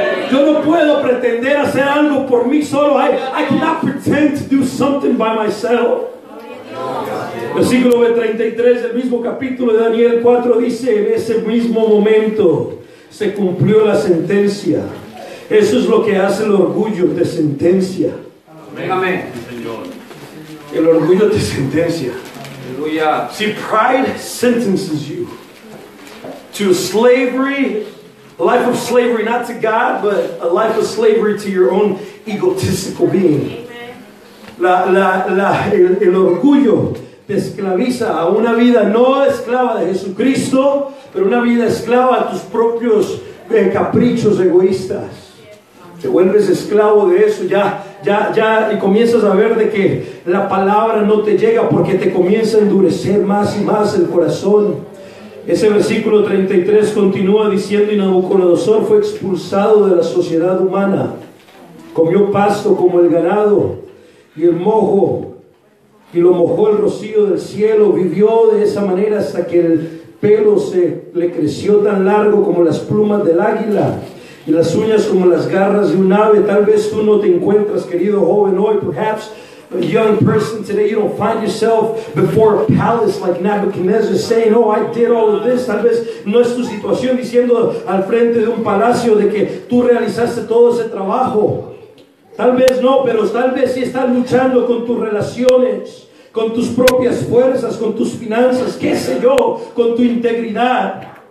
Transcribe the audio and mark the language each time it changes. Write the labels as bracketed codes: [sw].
[es] Yo no puedo pretender hacer algo por mí solo. [en] I cannot pretend to do something by myself. [es] Versículo 33 del mismo capítulo de Daniel 4 dice: en ese mismo momento se cumplió la sentencia. Eso es lo que hace el orgullo, te sentencia. Amén, amén. El orgullo te sentencia. Aleluya. [en] See, pride sentences you to slavery, a life of slavery, not to God, but a life of slavery to your own egotistical being. [es] El orgullo te esclaviza a una vida no esclava de Jesucristo, pero una vida esclava a tus propios caprichos egoístas. Te vuelves esclavo de eso, ya y comienzas a ver de que la palabra no te llega porque te comienza a endurecer más y más el corazón. Ese versículo 33 continúa diciendo: y Nabucodonosor fue expulsado de la sociedad humana, comió pasto como el ganado y el mojo, y lo mojó el rocío del cielo, vivió de esa manera hasta que el pelo se le creció tan largo como las plumas del águila, y las uñas como las garras de un ave. Tal vez tú no te encuentras, querido joven, hoy, [en] perhaps a young person today, you don't find yourself before a palace like Nabucodonosor saying, oh, I did all of this. [es] Tal vez no es tu situación diciendo al frente de un palacio de que tú realizaste todo ese trabajo. Tal vez no, pero tal vez sí estás luchando con tus relaciones, con tus propias fuerzas, con tus finanzas, qué sé yo, con tu integridad.